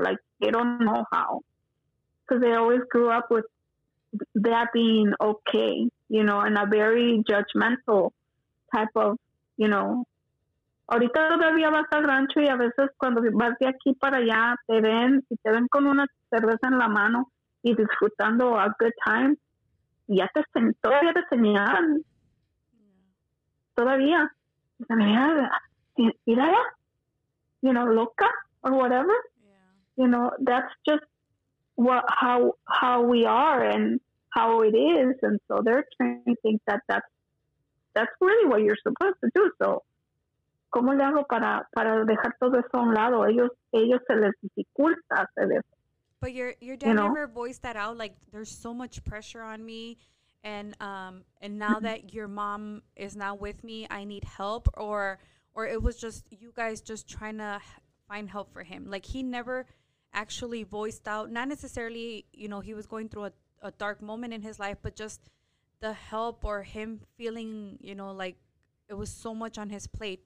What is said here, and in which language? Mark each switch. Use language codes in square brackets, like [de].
[en] Like, they don't know how. Because they always grew up with that being okay, you know, and a very judgmental type of, you know, [es] ahorita todavía vas al rancho y a veces cuando vas de aquí para allá te ven, si te ven con una cerveza en la mano y disfrutando [en] a good time, [es] y ya te sentó, todavía te señalan. Todavía. [en] Mira, you know, loca or whatever. Yeah. You know, that's just how we are and how it is. And so they're trying to think that's really what you're supposed to do. [es] So, ¿cómo le hago para dejar todo eso a un lado? Ellos se les dificulta hacer eso. [en] But your dad, you know, never voiced that out. Like, there's so much pressure on me, and now that your mom is not with me, I need help. Or it was just you guys just trying to find help for him. Like, he never actually voiced out. Not necessarily, you know, he was going through a dark moment in his life, but just the help or him feeling, you know, like it was so much on his plate.